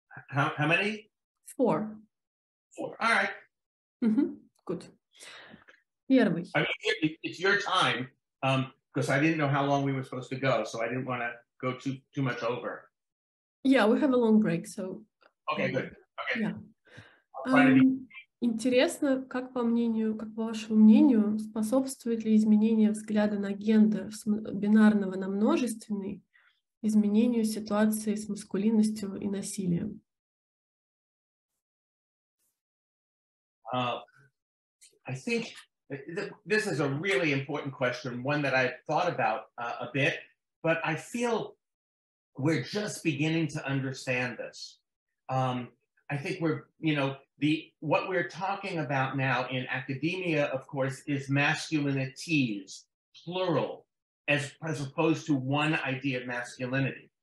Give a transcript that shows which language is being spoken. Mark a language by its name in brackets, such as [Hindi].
[English] How many? 4. 4. All right. Good. [Russian] Первый. [English] I mean, it's your time, because I didn't know how long we were supposed to go, so I didn't want to go too much over. Yeah, we have a long break, so. Okay. Good. Okay. Yeah. [Russian] Интересно, как по вашему мнению, способствует ли изменение взгляда на гендер с бинарного на множественный изменению ситуации с маскулинностью и насилием? [English] I think this is a really important question, one that I've thought about a bit, but I feel we're just beginning to understand this. I think we're, what we're talking about now in academia, of course, is masculinities, plural, as opposed to one idea of masculinity.